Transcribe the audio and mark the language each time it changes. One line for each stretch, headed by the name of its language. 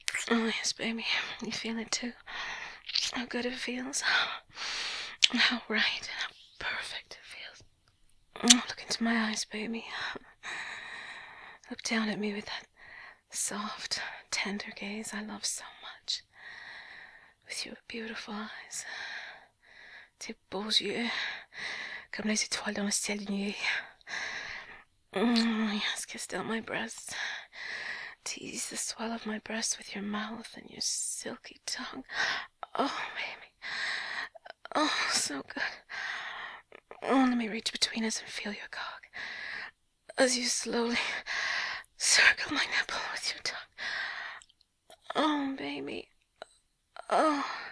English: Oh, yes, baby, you feel it too. How good it feels. How right and how perfect it feels. Oh, look into my eyes, baby. Look down at me with that soft, tender gaze I love so much. With your beautiful eyes.
French: Tes beaux yeux, comme les étoiles dans le ciel de nuit.
English: Oh, yes, kiss down my breast. Tease the swell of my breast with your mouth and your silky tongue. Oh, baby. Oh, so good. Oh, let me reach between us and feel your cock as you slowly circle my nipple with your tongue. Oh, baby. Oh.